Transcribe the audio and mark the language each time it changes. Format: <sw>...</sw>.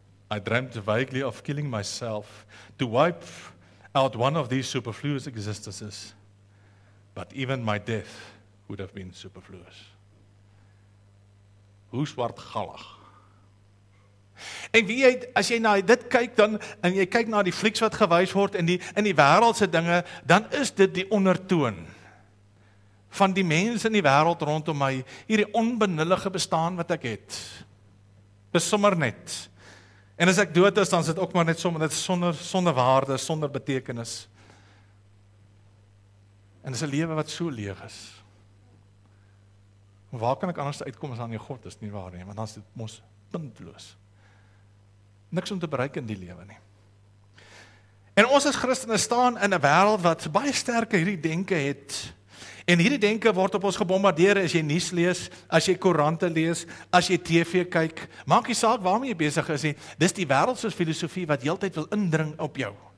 <en>I dreamt vaguely of killing myself to wipe out one of these superfluous existences, but even my death would have been superfluous.</en> <af>Hoe swartgallig. En wie jy, as jy na dit kyk dan, en jy kyk na die flieks wat gewys word en in die wêreldse dinge, dan is dit die ondertoon van die mense in die wêreld rondom my, hierdie onbenullige bestaan wat ek het. Sommer net. En as ek dood is, dan is dit ook maar net sommer, dit is sonder waarde, sonder betekenis. En dis 'n lewe wat so leeg is. Waar kan ek anders uitkom as aan die God, is nie waar nie, want dan is dit mos puntloos. Niks om te bereik in die lewe nie. En ons as Christene staan in 'n wêreld wat baie sterke hierdie denke het. En hierdie denke word op ons gebombardeer as jy nuus lees, as jy koerante lees, as jy TV kyk. Maak nie saak waarmee jy besig is nie. Dis die wêreldse filosofie wat heeltyd wil indring op jou.</af>